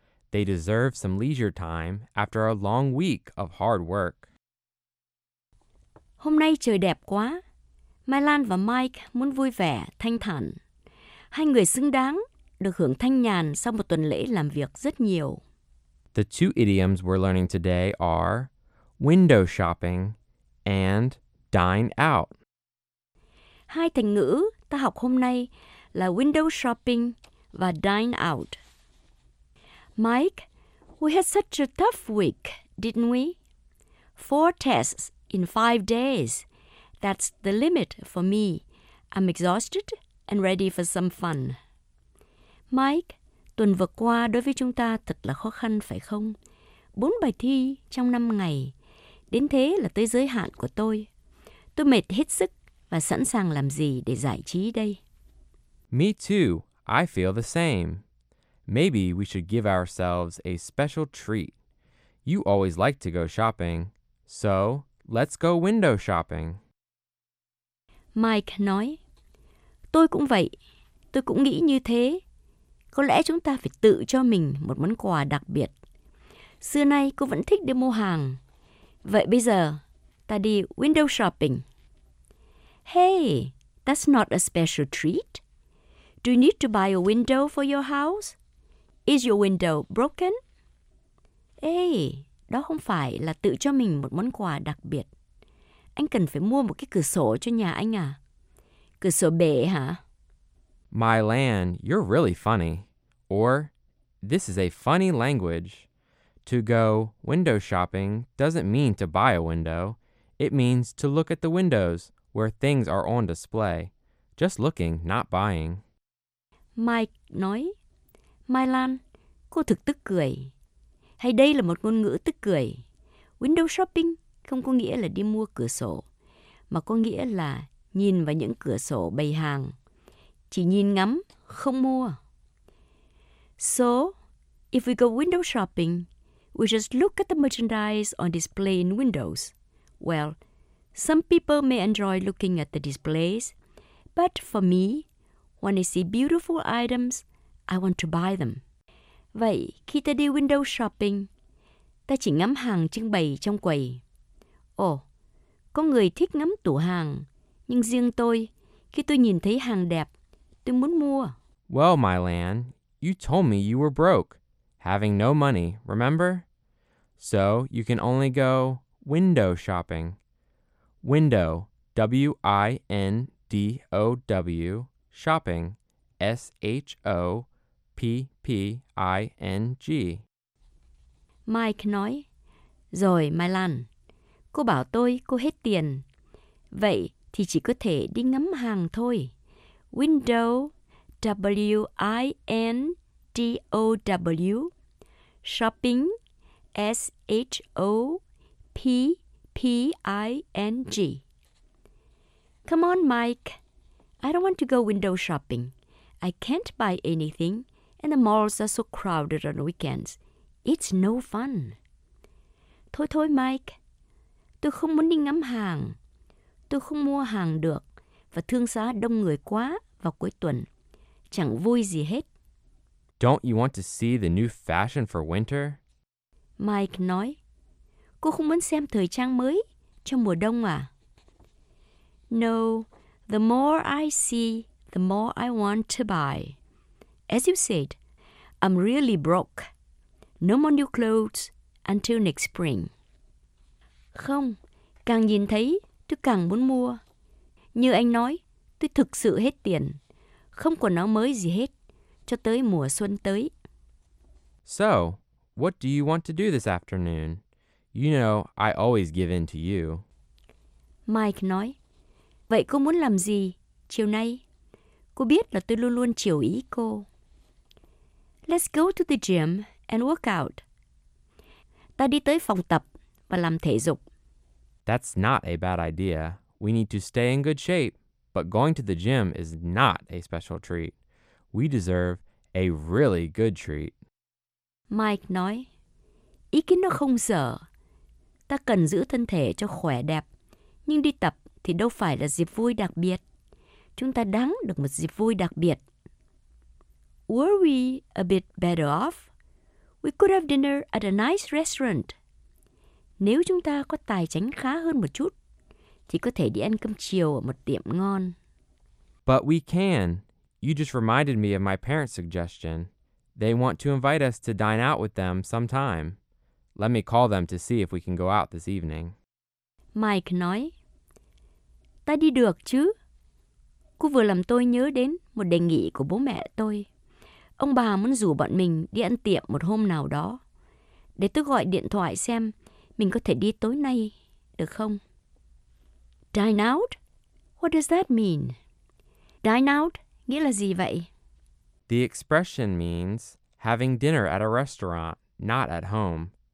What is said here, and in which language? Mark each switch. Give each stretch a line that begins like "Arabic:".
English: They deserve some leisure time after a long week of hard work.
Vietnamese: Hôm nay trời đẹp quá. My Lan và Mike muốn vui vẻ, thanh thản. Hai người xứng đáng được hưởng thanh nhàn sau một tuần lễ làm việc rất nhiều.
English: The two idioms we're learning today are window shopping and dine out.
Vietnamese: Hai thành ngữ ta học hôm nay là window shopping và dine out.
English: Mike, we had such a tough week, didn't we? 4 tests in 5 days. That's the limit for me, I'm exhausted and ready for some fun.
Vietnamese: Mike, tuần vừa qua đối với chúng ta thật là khó khăn phải không? 4 bài thi trong 5 ngày. Đến thế là tới giới hạn của tôi. Tôi mệt hết sức và sẵn sàng làm gì để giải trí đây?
English: Me too. I feel the same. Maybe we should give ourselves a special treat. You always like to go shopping. So, let's go window shopping.
Vietnamese: Mike nói, tôi cũng vậy. Tôi cũng nghĩ như thế. Có lẽ chúng ta phải tự cho mình một món quà đặc biệt. Xưa nay cô vẫn thích đi mua hàng. Vậy bây giờ, ta đi window shopping.
English: Hey, that's not a special treat. Do you need to buy a window for your house? Is your window broken?
Vietnamese: Hey, đó không phải là tự cho mình một món quà đặc biệt. Anh cần phải mua một cái cửa sổ cho nhà anh à? Cửa sổ bể hả?
English: My Lan, you're really funny. Or, this is a funny language. To go window shopping doesn't mean to buy a window. It means to look at the windows where things are on display. Just looking, not buying.
Vietnamese: Mike nói, My Lan, cô thực tức cười. Hay đây là một ngôn ngữ tức cười. Window shopping không có nghĩa là đi mua cửa sổ, mà có nghĩa là nhìn vào những cửa sổ bày hàng. Chỉ nhìn ngắm, không mua.
English: So, if we go window shopping, we just look at the merchandise on display in windows. Well, some people may enjoy looking at the displays, but for me, when I see beautiful items, I want to buy them.
Vietnamese: Vậy, khi ta đi window shopping, ta chỉ ngắm hàng trưng bày trong quầy. Ồ, có người thích ngắm tủ hàng, nhưng riêng tôi, khi tôi nhìn thấy hàng đẹp, tôi muốn mua.
English: Well, my Lan, you told me you were broke, having no money, remember? So, you can only go window shopping. Window, W-I-N-D-O-W, shopping, S-H-O-P-P-I-N-G.
Vietnamese: Mike nói, rồi, My Lan, cô bảo tôi cô hết tiền. Vậy thì chỉ có thể đi ngắm hàng thôi.
English: Window, W-I-N-D-O-W, shopping, S-H-O-P-P-I-N-G. Come on, Mike. I don't want to go window shopping. I can't buy anything, and the malls are so crowded on weekends. It's no fun.
Vietnamese: Thôi thôi,
English: Mike.
Vietnamese: Tôi không muốn đi ngắm hàng. Tôi không mua hàng được, và thương xá đông người quá vào cuối tuần. Chẳng vui gì hết.
English: Don't you want to see the new fashion for winter?
Vietnamese: Mike nói, cô không muốn xem thời trang mới cho mùa đông à?
English: No, the more I see, the more I want to buy. As you said, I'm really broke. No more new clothes until next spring.
Vietnamese: Không, càng nhìn thấy, tôi càng muốn mua. Như anh nói, tôi thực sự hết tiền. Không quần áo mới gì hết, cho tới mùa xuân tới.
English: So, what do you want to do this afternoon? You know, I always give in to you.
Vietnamese: Mike nói, vậy cô muốn làm gì chiều nay? Cô biết là tôi luôn luôn chiều ý cô.
English: Let's go to the gym and work out.
Vietnamese: Ta đi tới phòng tập và làm thể dục.
English: That's not a bad idea. We need to stay in good shape. But going to the gym is not a special treat. We deserve a really good treat.
Vietnamese: Mike nói, ý kiến nó không dở. Ta cần giữ thân thể cho khỏe đẹp. Nhưng đi tập thì đâu phải là dịp vui đặc biệt. Chúng ta đáng được một dịp vui đặc biệt.
English: Were we a bit better off? We could have dinner at a nice restaurant.
Vietnamese: Nếu chúng ta có tài chính khá hơn một chút, thì có thể đi ăn cơm chiều ở một tiệm ngon.
English: But we can. You just reminded me of my parents' suggestion. They want to invite us to dine out with them sometime. Let me call them to see if we can go out this evening.
Vietnamese: Mike nói, ta đi được chứ? Cô vừa làm tôi nhớ đến một đề nghị của bố mẹ tôi. Ông bà muốn rủ bọn mình đi ăn tiệm một hôm nào đó. Để tôi gọi điện thoại xem mình có thể đi tối nay, được không?
English: Dine out? What does that mean?
Vietnamese: Dine out nghĩa là gì vậy?
English: The expression means having dinner at a restaurant, not at home.